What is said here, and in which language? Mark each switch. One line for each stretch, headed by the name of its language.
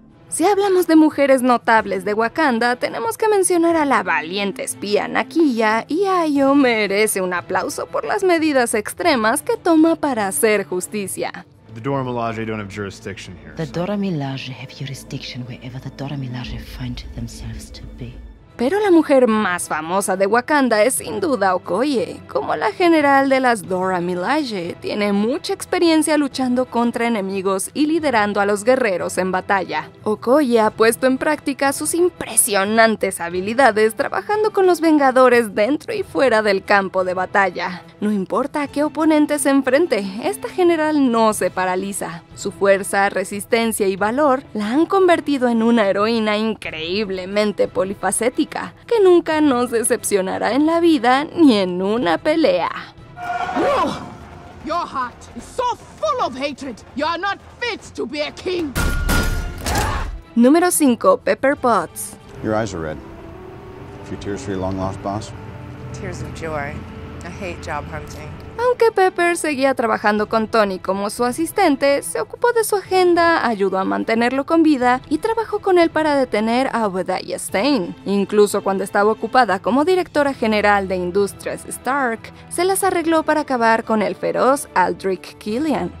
Spanish: Si hablamos de mujeres notables de Wakanda, tenemos que mencionar a la valiente espía Nakia, y Ayo merece un aplauso por las medidas extremas que toma para hacer justicia.
English: The Dora Milaje don't have jurisdiction here. The Dora Milaje have jurisdiction wherever the Dora Milaje find themselves to be.
Spanish: Pero la mujer más famosa de Wakanda es sin duda Okoye. Como la general de las Dora Milaje, tiene mucha experiencia luchando contra enemigos y liderando a los guerreros en batalla. Okoye ha puesto en práctica sus impresionantes habilidades trabajando con los Vengadores dentro y fuera del campo de batalla. No importa a qué oponente se enfrente, esta general no se paraliza. Su fuerza, resistencia y valor la han convertido en una heroína increíblemente polifacética, que nunca nos decepcionará en la vida ni en una pelea.
English: Your heart is so full of hatred. You are not fit to be a king.
Spanish: Número 5. Pepper Potts.
English: Your eyes are red. A few tears for your long lost boss. Tears of joy. I hate job hunting.
Spanish: Aunque Pepper seguía trabajando con Tony como su asistente, se ocupó de su agenda, ayudó a mantenerlo con vida y trabajó con él para detener a Obadiah Stane. Incluso cuando estaba ocupada como directora general de Industrias Stark, se las arregló para acabar con el feroz Aldrich Killian.